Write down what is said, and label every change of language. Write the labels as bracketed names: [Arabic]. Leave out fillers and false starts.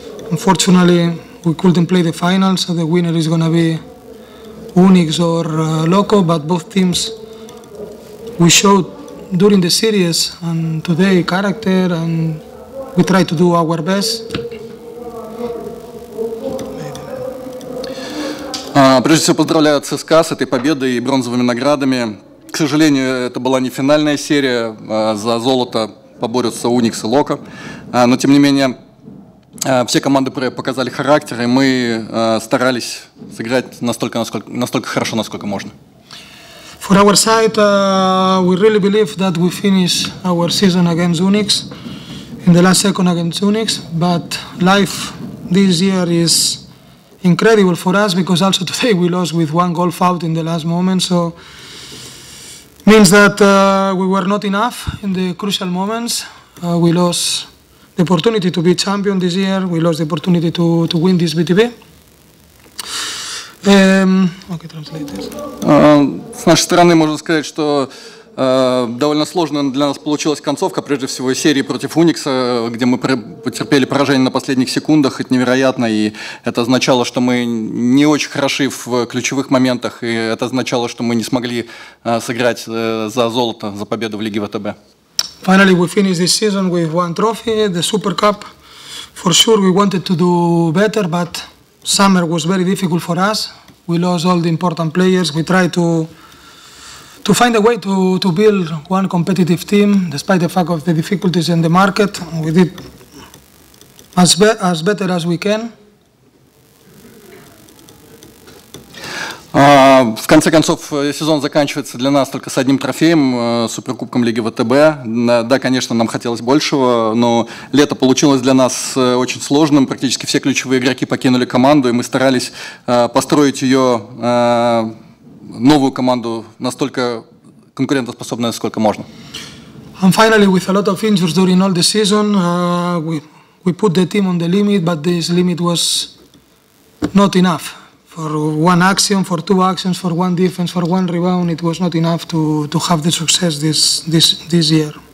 [English] Unfortunately, we couldn't play the final, so the winner is going to be Unix or Loco, but both teams we showed during the series and today character, and we try to do our best. [Russian] Прежде всего поздравляю ЦСКА с этой победой и бронзовыми наградами. К сожалению, это была не финальная серия, за золото поборются Unix и Loco, но тем не менее все команды показали характер, и мы старались сыграть настолько хорошо, насколько можно. [English] For our side, we really believe that we finish our season against Unix in the last second against Unix, but life this year is incredible for us because also today we lost with one goal fault in the last moment, so means that we were not enough in the crucial moments. We lost the opportunity to be champion this year, we lost the opportunity to win this BTB. Okay, translate this. [Russian] С нашей стороны можно сказать, что довольно сложно для нас получилась концовка, прежде всего серии против Уникса, где мы потерпели поражение на последних секундах, это невероятно, и это означало, что мы не очень хороши в ключевых моментах, и это означало, что мы не смогли сыграть за золото, за победу в Лиге ВТБ. [English] Finally, we finished this season with one trophy, the Super Cup. For sure, we wanted to do better, but summer was very difficult for us. We lost all the important players. We tried to find a way to build one competitive team, despite the fact of the difficulties in the market. We did as better as we can. [Russian] В конце концов, сезон заканчивается для нас только с одним трофеем, Суперкубком Лиги ВТБ. Да, конечно, нам хотелось большего, но лето получилось для нас очень сложным. Практически все ключевые игроки покинули команду, и мы старались построить ее, новую команду, настолько конкурентоспособную, сколько можно. [English] And finally, with a lot of injuries during all the season, we put the team on the limit, but this limit was not enough. For one action, for two actions, for one defense, for one rebound, it was not enough to have the success this year.